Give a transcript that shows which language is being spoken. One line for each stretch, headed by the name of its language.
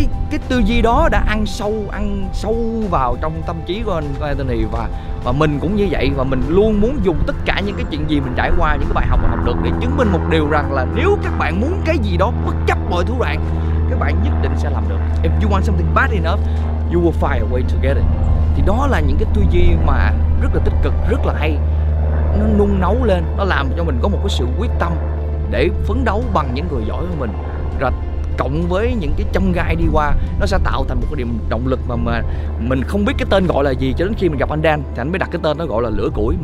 Vietnamese: cái tư duy đó đã ăn sâu vào trong tâm trí của Anthony, và mình cũng như vậy, và mình luôn muốn dùng tất cả những cái chuyện gì mình trải qua, những cái bài học mình học được để chứng minh một điều rằng là nếu các bạn muốn cái gì đó bất chấp mọi thủ đoạn, các bạn nhất định sẽ làm được.
English: If you want something bad enough, you will find a way to get it.
Vietnamese: Thì đó là những cái tư duy mà rất là tích cực, rất là hay. Nó nung nấu lên, nó làm cho mình có một cái sự quyết tâm để phấn đấu bằng những người giỏi hơn mình. Rồi cộng với những cái chông gai đi qua, nó sẽ tạo thành một cái điểm động lực mà mình không biết cái tên gọi là gì, cho đến khi mình gặp anh Dan thì anh mới đặt cái tên nó gọi là lửa củi.